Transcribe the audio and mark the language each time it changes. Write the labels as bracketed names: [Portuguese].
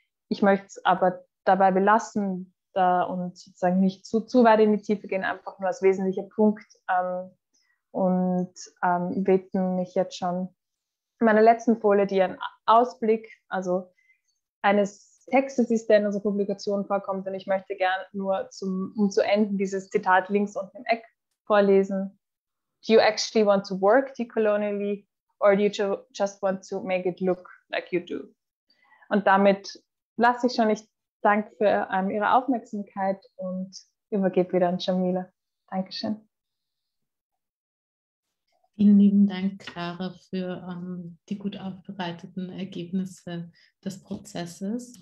[German] Ich möchte es aber dabei belassen da und sozusagen nicht zu weit in die Tiefe gehen, einfach nur als wesentlicher Punkt und bitten mich jetzt schon meiner letzten Folie, die ein Ausblick, also eines Textes ist, der in unserer Publikation vorkommt, und ich möchte gern nur um zu enden dieses Zitat links unten im Eck vorlesen. [English] Do you actually want to work decolonially or do you just want to make it look like you do? [German] Und damit lasse ich schon. Ich danke für Ihre Aufmerksamkeit und übergebe wieder an Jamila. Dankeschön. Vielen lieben Dank, Clara, für die gut aufbereiteten Ergebnisse des Prozesses.